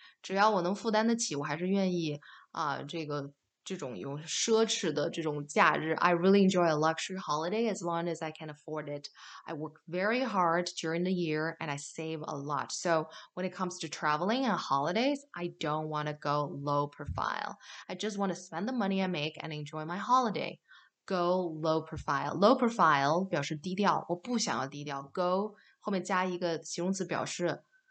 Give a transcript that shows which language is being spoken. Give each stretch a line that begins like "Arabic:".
Chinese: 只要我能负担得起，我还是愿意啊，这种有奢侈的这种假日.
English: I really enjoy a luxury holiday as long as I can afford it. I work very hard during the year and I save a lot. So when it comes to traveling and holidays, I don't want to go low profile. I just want to spend the money I make and enjoy my holiday. Go low profile.
Chinese: Low profile 表示低调，我不想要低调。 Go 后面加一个形容词表示。